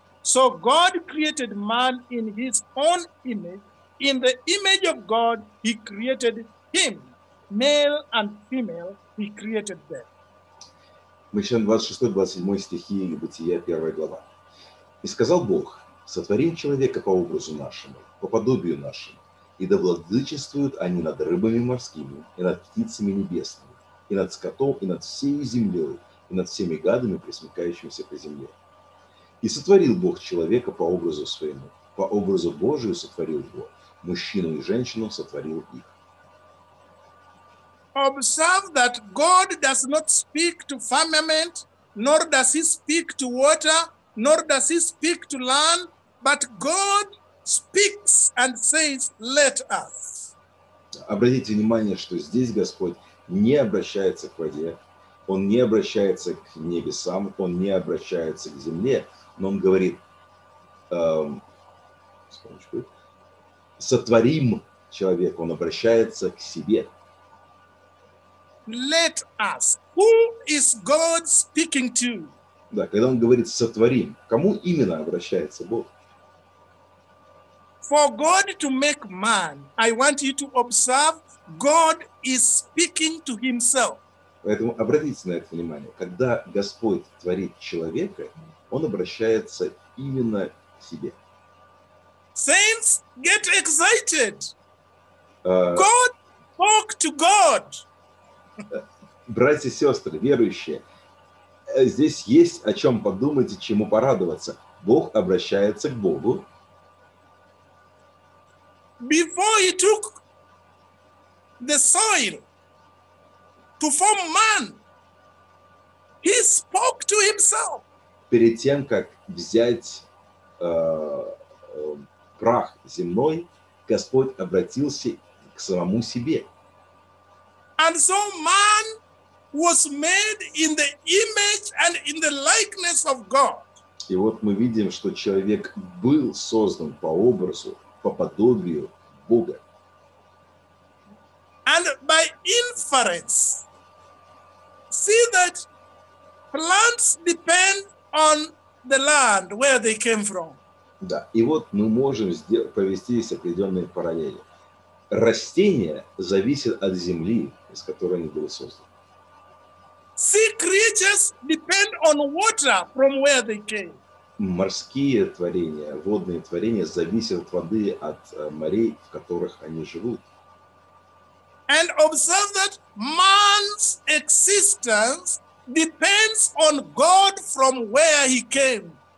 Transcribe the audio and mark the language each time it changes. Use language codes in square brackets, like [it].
[en] So God created man in his own image. In the image of God, he created him. Male and female, he created them. [ru] Мы читаем 26-27 стихи Бытия, 1 глава. «И сказал Бог, сотворим человека по образу нашему, по подобию нашему, и да владычествуют они над рыбами морскими, и над птицами небесными, и над скотом, и над всей землей, и над всеми гадами, пресмыкающимися по земле. И сотворил Бог человека по образу своему, по образу Божию сотворил его, мужчину и женщину сотворил их». [en] Observe that God does not speak to firmament, nor does he speak to water, nor does he speak to land, but God speaks and says, let us. [ru] Обратите внимание, что здесь Господь не обращается к воде, он не обращается к небесам, он не обращается к земле, но он говорит, сотворим человека, он обращается к себе. [en] Let us. Who is God speaking to? [ru] Да, когда он говорит сотворим, кому именно обращается Бог? [en] For God to make man, I want you to observe, God is speaking to himself. [ru] Поэтому обратите на это внимание. Когда Господь творит человека, он обращается именно к себе. [en] Saints, get excited. God spoke to God. [ru] Братья и сестры, верующие, здесь есть о чем подумать и чему порадоваться. Бог обращается к Богу. [en] Before he took the soil to form man, he spoke to himself. [ru] Перед тем, как взять прах земной, Господь обратился к самому себе. [en] And so man was made in the image and in the likeness of God. [ru] И вот мы видим, что человек был создан по образу, по подобию Бога. [en] And by inference, see that plants depend on the land where they came from. [ru] Да, и вот мы можем провести определенные параллели. Растение зависит от земли, из которой они были созданы. [en] Sea creatures depend on water from where they came. [ru] Морские творения, водные творения зависят от воды, от морей, в которых они живут. [en] And observe that man's existence depends on God from where he came.